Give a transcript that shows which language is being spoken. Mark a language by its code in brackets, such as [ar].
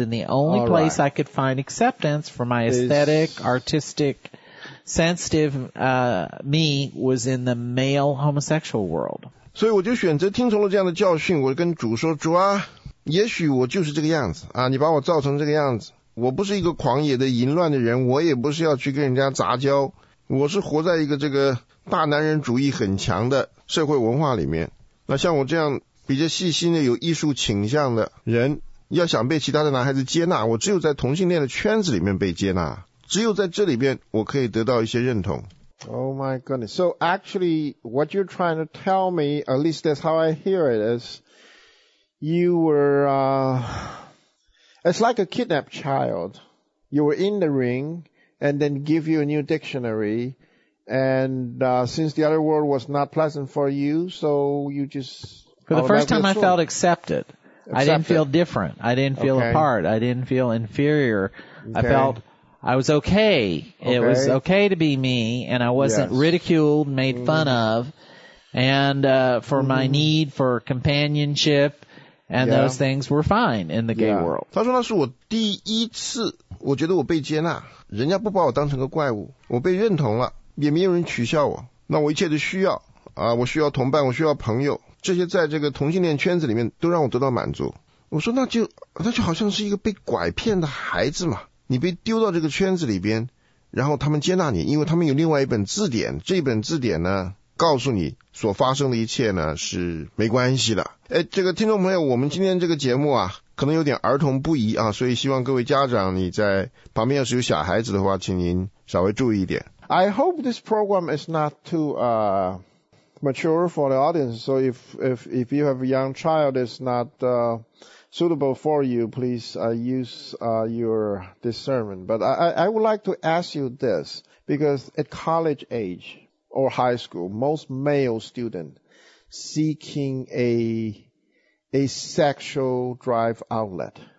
[en] And the only place I could find acceptance for my aesthetic, artistic, sensitive me was in the male homosexual world. [zh] 所以我就选择听从了这样的教训，我跟主说，主啊，也许我就是这个样子啊，你把我造成这个样子，我不是一个狂野的淫乱的人，我也不是要去跟人家杂交，我是活在一个这个大男人主义很强的社会文化里面。那像我这样比较细心的有艺术倾向的人，要想被其他的男孩子接纳，我只有在同性恋的圈子里面被接纳，只有在这里边我可以得到一些认同。 [en] Oh my goodness. So actually, what you're trying to tell me, at least that's how I hear it, is you were, it's like a kidnapped child. You were in the ring and then give you a new dictionary. And, since the other world was not pleasant for you, so you just... For the first time, I felt accepted. I didn't feel different. I didn't feel apart. I didn't feel inferior. I felt... I was okay. It was okay to be me, and I wasn't ridiculed, made fun of, and for my need for companionship, and those things were fine in the gay world. [zh] 他说那是我第一次，我觉得我被接纳，人家不把我当成个怪物，我被认同了，也没有人取笑我。那我一切的需要啊，我需要同伴，我需要朋友，这些在这个同性恋圈子里面都让我得到满足。我说那就好像是一个被拐骗的孩子嘛。你被丢到这个圈子里边，然后他们接纳你，因为他们有另外一本字典，这本字典呢告诉你所发生的一切呢是没关系的。诶，这个听众朋友，我们今天这个节目啊可能有点儿童不宜啊，所以希望各位家长，你在旁边要是有小孩子的话，请您稍微注意一点。 [en] I hope this program is not too mature for the audience, so if you have a young child, it's not suitable for you, please use your discernment. But I would like to ask you this, because at college age or high school, most male students seeking a sexual drive outlet.